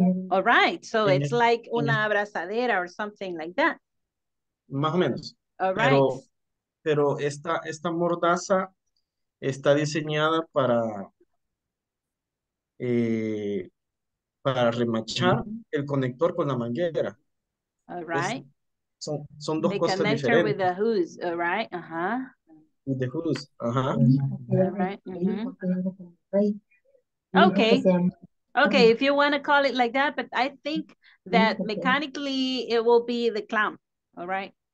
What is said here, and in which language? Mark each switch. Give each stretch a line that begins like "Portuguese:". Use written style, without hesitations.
English: All right, so it's like
Spanish: una abrazadera
English: or something like that.
Spanish: Más o menos.
English: All right.
Spanish: Pero esta mordaza está diseñada para para remachar el conector con la manguera.
English: All right.
Spanish: Son dos cosas diferentes.
English: The connector with the hose, all right, uh-huh. With the hose, uh-huh. All right, mm-hmm. Okay. Okay, if you want to call it like that, but I think that mechanically it will be the clamp, all right?